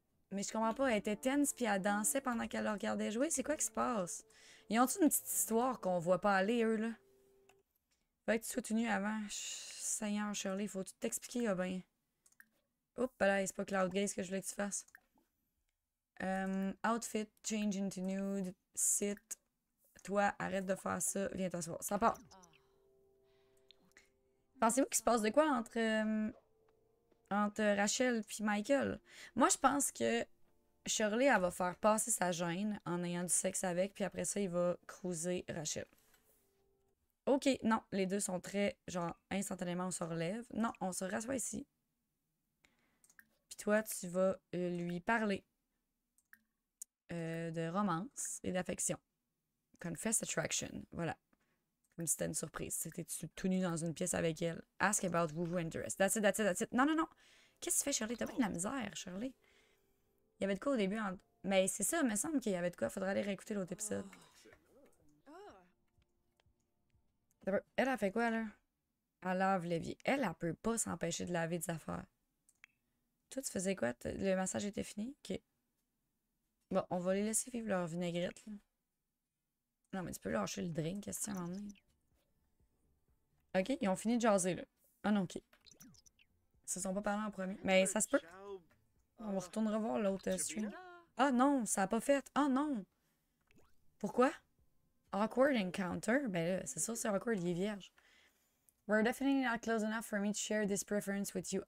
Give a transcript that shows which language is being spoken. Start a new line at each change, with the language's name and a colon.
French: Mais je comprends pas, elle était tense puis elle dansait pendant qu'elle le regardait jouer. C'est quoi qui se passe? Ils ont-tu une petite histoire qu'on voit pas aller, eux, là? Faut que tu sois tenu avant. Seigneur Shirley, faut-tu t'expliquer, là, ben? Oups, là, c'est pas Cloud Gaze que je voulais que tu fasses.
English: Outfit, change into nude, sit.
French: Toi, arrête de faire ça, viens t'asseoir. Ça part. Pensez-vous qu'il se passe de quoi entre... entre Rachel puis Michael. Moi, je pense que Shirley, elle va faire passer sa gêne en ayant du sexe avec, puis après ça, il va cruiser Rachel. OK, non, les deux sont très... Genre, instantanément, on se relève. Non, on se rassoit ici. Puis toi, tu vas lui parler de romance et d'affection.
English: Confess attraction,
French: voilà. Comme si c'était une surprise. C'était tout nu dans une pièce avec elle.
English: Ask about who you interest. That's it, that's it, that's it.
French: Non, non, non. Qu'est-ce que tu fais, Shirley? T'as pas de la misère, Shirley. Il y avait de quoi au début? En... Mais c'est ça, il me semble qu'il y avait de quoi. Faudrait aller réécouter l'autre épisode. Elle a fait quoi, là? Elle lave l'évier. Elle, elle peut pas s'empêcher de laver des affaires. Toi, tu faisais quoi? Le massage était fini? OK. Bon, on va les laisser vivre leur vinaigrette, là. Non, mais tu peux lâcher le drink, qu'est-ce que tu m'en dis? OK, ils ont fini de jaser, là. Ah non, OK. Ils se sont pas parlé en premier. Mais ça se peut. On va retourner revoir l'autre stream. Ah non, ça a pas fait. Ah non! Pourquoi?
English: Awkward encounter?
French: Ben là, c'est sûr, c'est awkward, il est vierge.
English: We're definitely not close enough for me to share this preference with you.